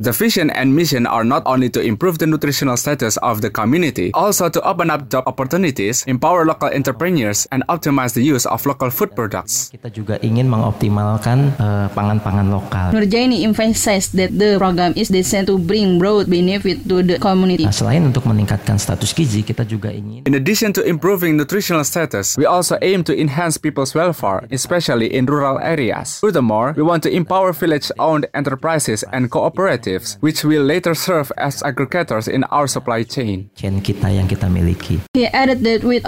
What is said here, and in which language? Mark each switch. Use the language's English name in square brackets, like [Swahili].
[English] the vision and mission are not only to improve the nutritional status of the community, also to open up job opportunities, empower local entrepreneurs, and optimize the use of local food products. [Indonesian] Kita juga ingin mengoptimalkan pangan-pangan lokal. [English] Nur Jaini emphasized that the program is designed to bring broad benefit to the community. [Indonesian] Nah, selain untuk meningkatkan status gizi, kita juga ingin [English] in addition to improving nutritional status, we also aim to enhance people's welfare, especially in rural areas. Furthermore, we want to empower village-owned enterprises and cooperatives, which will later serve as aggregators in our supply chain. [Indonesian] Kita yang kita miliki. [English] He added that with